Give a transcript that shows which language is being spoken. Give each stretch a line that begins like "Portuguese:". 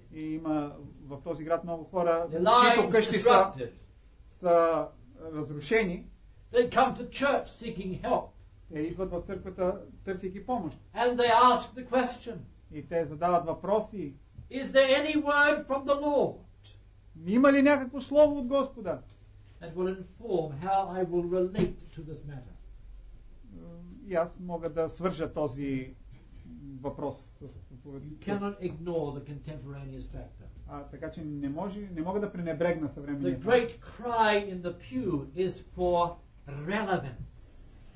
Bulgarian: и има в този град много хора, чието къщи са разрушени,
English: they come to church seeking help.
Bulgarian: Те идват в църквата, търсейки помощ.
English: And they ask the question.
Bulgarian: И те задават въпроси.
English: Is there any word from the Lord?
Bulgarian: Има ли някакво слово от Господа?
English: That will inform how I will relate to this matter.
Bulgarian: И аз мога да свържа този въпрос с
English: You cannot ignore the contemporaneous factor.
Bulgarian: Така че не мога да пренебрегна съвременния.
English: The great cry in the pew is for relevance.